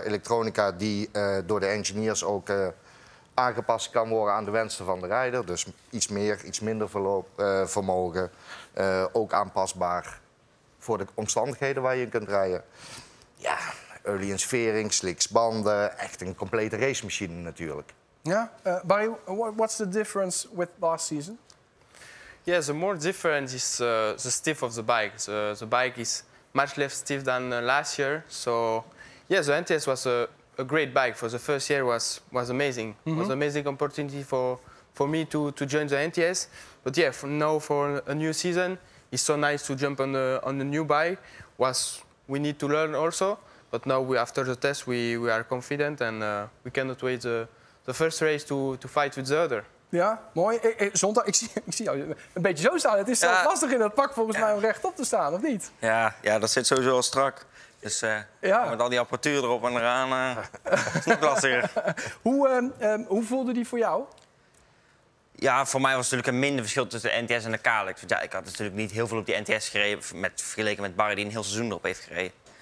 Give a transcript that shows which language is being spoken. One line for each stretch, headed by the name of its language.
Dutch: Elektronica die door de engineers ook aangepast kan worden aan de wensen van de rijder. Dus iets meer, iets minder vermogen. Ook aanpasbaar voor de omstandigheden waar je in kunt rijden. Ja, early insfering, slicks banden. Echt een complete racemachine natuurlijk.
English: Ja, Barry, what's the difference with last season? Yeah, the more difference is the stiff of the bike. The bike is much less stiff than last year. So, yeah, the NTS was a great bike for the first year. Was amazing. Mm-hmm. Was an amazing opportunity for me to join the NTS. But yeah, now for a new season, it's so nice to jump on the new bike. We need to learn also. But now after the test, we are confident and we cannot wait the first race to fight with the other.
Dutch: Ja, mooi. Zondag, ik zie jou een beetje zo staan. Het is zo lastig in dat pak volgens mij om rechtop te staan, of niet? Ja, ja, dat zit sowieso al strak. Dus met al die apparatuur erop en eraan, is nog lastiger. Hoe voelde die voor jou? Ja, voor mij was het natuurlijk een minder verschil tussen de NTS en de Kalex. Ja, ik had natuurlijk niet heel veel op die NTS gereden, vergeleken met Barry die een heel seizoen erop heeft gereden.